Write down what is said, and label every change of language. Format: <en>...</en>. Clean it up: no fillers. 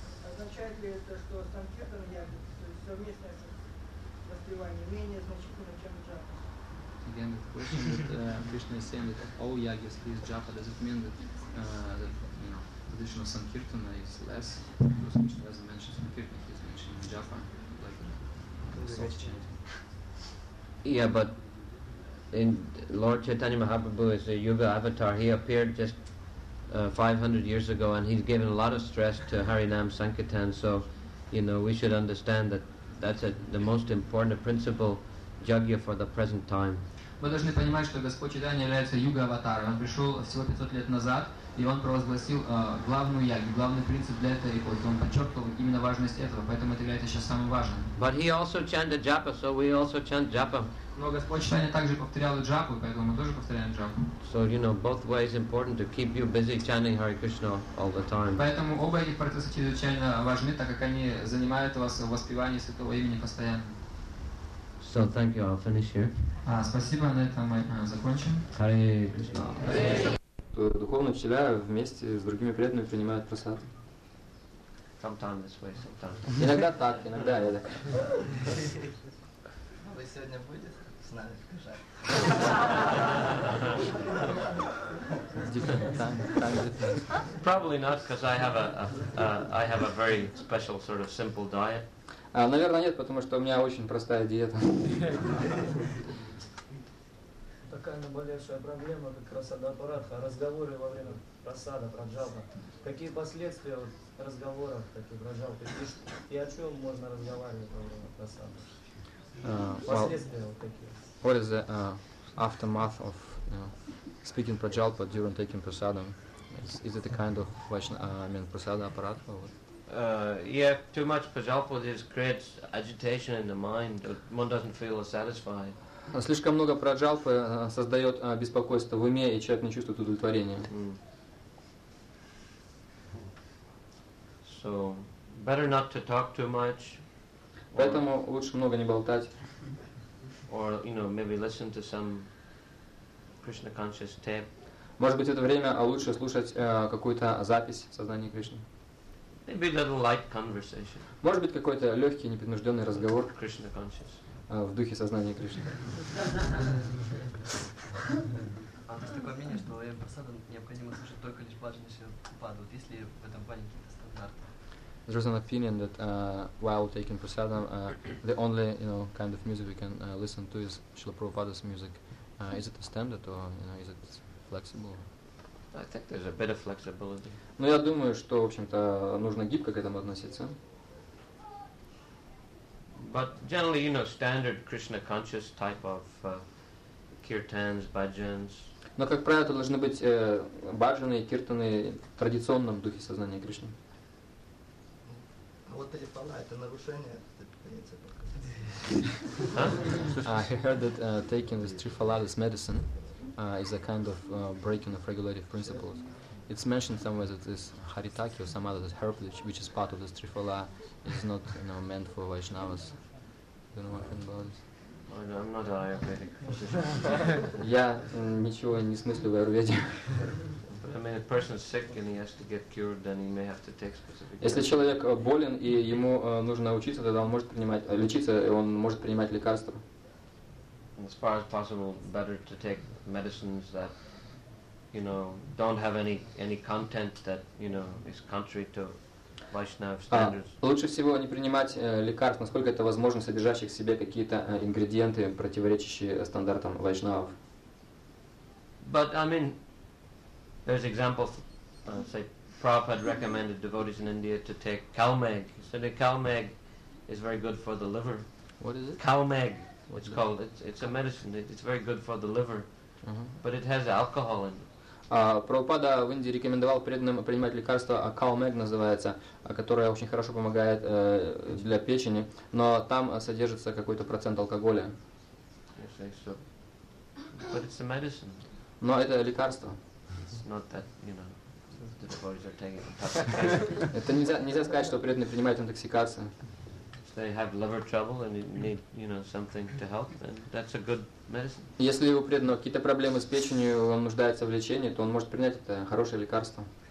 <ru>Означает ли это, что санкетан яги, то есть совместное воспевание, менее значительно, чем джапа?</ru> <en>Again, the question that Krishna is saying that all yagis please japa, does it mean that, that traditional sankirtana is less, because Krishna doesn't mention sankirtana, he's mentioning japa, like a soft chant. Yeah, but in Lord Chaitanya Mahaprabhu is a yuga avatar. He appeared just 500 years ago, and he's given a lot of stress to Harinam Sankirtan, so, you know, we should understand that that's the most important principle yagya for the present time.</en> <ru>Мы должны понимать, что Господь Читания является юга-аватаром. Он пришел всего 500 лет назад, и он провозгласил главную ягью, главный принцип для этой эпохи. Он подчеркнул именно важность этого, поэтому это является сейчас самым важным.</ru> <en>But he also chanted japa, so we also chant japa.</en> <ru>Но Господь Читания также повторял и джапу, поэтому мы тоже повторяем джапу.</ru> <en>So, you know, both ways important to keep you busy chanting Hare Krishna all the time.</en> <ru>Поэтому оба эти процесса чрезвычайно важны, так как они занимают вас в воспевании святого имени постоянно.</ru> <en>So thank you, I'll finish here.</en> <ru>Спасибо, на этом мы закончим.</ru> <en>Hare Krishna.</en> <ru>Духовные учителя вместе с другими преданными принимают просад.</ru> <en>Sometimes this way, sometimes.</en> <ru>Иногда так, иногда это. Вы сегодня будете с нами в Казани?</ru> <en>Probably not, because I have a very special sort of simple diet.</en> <ru>Наверное, нет, потому что у меня очень простая диета. какая наиболее проблема как прасадапаратха, разговоры во время прасада, праджапа. Какие последствия вот, разговоров таких праджапа? И о чем можно разговаривать во время прасада? Последствия</ru> <en>well,</en> <ru>вот такие.</ru> <en>What is the aftermath of speaking prajalpa during taking prasadam? Is it a kind of prasada aparat? Yeah, too much prajalpa just creates agitation in the mind. One doesn't feel satisfied.</en> <ru>Слишком много праджалпы создает беспокойство в уме, и человек не чувствует удовлетворения.</ru> <en>So, better not to talk too much.</en> <ru>Поэтому лучше много не болтать.</ru> <en>Or you know maybe listen to some Krishna conscious tape.</en> <ru>Может быть это время, а лучше слушать какую-то запись сознания Кришны.</ru> <en>Maybe a little light conversation.</en> <ru>Может быть какой-то легкий непринужденный разговор.</ru> <en>Krishna conscious.</en> <ru>В духе сознания Кришны. А у нас такое мнение, что во время прасада необходимо слушать только лишь баджаны Шилупады. Вот если в этом плане какие-то стандарты.</ru> <en>There's an opinion that while taking prasadam, the only you know kind of music we can listen to is Srila Prabhupada's music. Is it a standard or you know is it flexible? I think there's a bit of flexibility.</en> <ru>Но я думаю, что в общем-то нужно гибко к этому относиться.</ru> <en>But generally, you know, standard Krishna conscious type of kirtans, bhajans.</en> <ru>Но как правило, это должны быть баджаны и киртаны в традиционном духе сознания Кришны.</ru> <en>I heard that taking this trifala, this medicine, is a kind of breaking of regulative principles. It's mentioned somewhere that this haritaki or some other this herb which is part of this trifala is not you know, meant for Vaishnavas. Do you know anything about this? I'm not an Ayurvedic</en> <ru>physician. Я ничего не смыслю в Аюрведе.</ru> <en>I mean, if a person is sick and he has to get cured, then he may have to take specific.</en> <ru>Если человек болен и ему нужно учиться, тогда он может принимать лечиться и он может принимать лекарства.</ru> <en>As far as possible, better to take medicines that, you know, don't have any content that you know is contrary to Vaishnava standards.</en> <ru>Лучше всего не принимать лекарств, насколько это возможно, содержащих в себе какие-то ингредиенты, противоречащие стандартам Вайшнавов.</ru> <en>But I mean. There's examples, say, Prabhupada recommended devotees in India to take Kalmeg. He said that Kalmeg is very good for the liver. What is it? Kalmeg, it's called. It's a medicine. It's very good for the liver, but it has alcohol in it.</en> <ru>Прабхупада в Индии рекомендовал преданным принимать лекарство, Калмег называется, которое очень хорошо помогает для печени, но там содержится какой-то процент алкоголя.</ru> <en>Yes, so. But it's a medicine.</en> <ru>Но это лекарство.</ru> <en>Not that you know the devotees are taking intoxication.</en> <ru>Это нельзя сказать, что преданные принимают интоксикацию.</ru> <en>If they have liver trouble and need you know something to help, then that's a good medicine.</en> <ru>Если у преданного какие-то проблемы с печенью, он нуждается в лечении, то он может принять это хорошее лекарство.</ru>